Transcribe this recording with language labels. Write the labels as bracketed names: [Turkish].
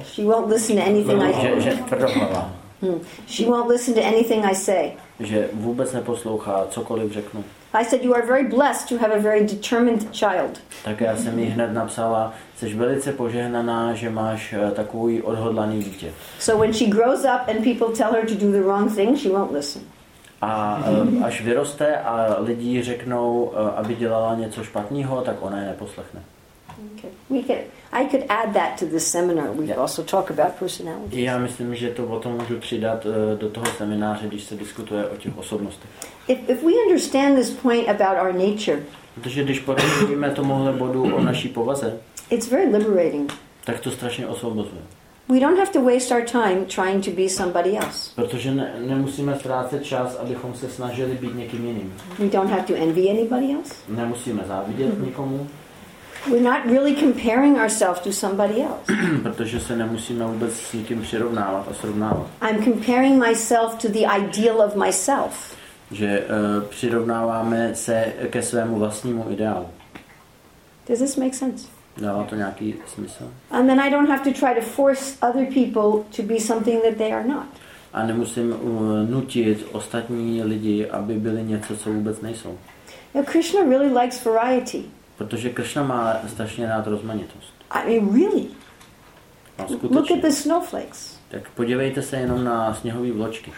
[English] She won't listen to anything I say. [Czech] Že tvrdohlavá. [English] She won't listen to anything I say. [Czech] Že vůbec neposlouchá, cokoliv řeknu. [English] I said you are very blessed to have a very determined child. [Czech] Tak já jsem jí hned napsala, jsi velice požehnaná, že máš takový odhodlaný dítě. [English] So when she grows up and people tell her to do the wrong thing, she won't listen. [Czech] A až vyroste a lidi řeknou, aby dělala něco špatného, tak ona je neposlechne. [English] Okay. I could add that to this seminar. We also talk about personality. [Czech] Já myslím, že to potom můžu přidat do toho semináře, když se diskutuje o těch osobnostech. [English] If we understand this point about our nature. [Czech] Protože když porozumíme tomuhle bodu o naší povaze. [English] It's very liberating. [Czech] Tak to strašně osvobozuje. [English] We don't have to waste our time trying to be somebody else. [Czech] Protože nemusíme ztrácet čas, abychom se snažili být někým jiným. [English] We don't have to envy anybody else. [Czech] Nemusíme závidět nikomu. [English] We're not really comparing ourselves to somebody else. [Czech] Protože se nemusíme vůbec s nikým přirovnávat a srovnávat. [English] I'm comparing myself to the ideal of myself. [Czech] Že přirovnáváme se ke svému vlastnímu ideálu. [English] Does this make sense? [Czech] Dává to nějaký smysl? [English] And then I don't have to try to force other people to be something that they are not. [Czech] A nemusím nutit ostatní lidi, aby byli něco, co vůbec nejsou. [English] Now, Krishna really likes variety. [Czech] Protože Krishna má strašně rád rozmanitost. [English] I mean, really? [Czech] Skutečně. [English] Look at the snowflakes. [Czech] Tak podívejte se jenom na sněhové vločky.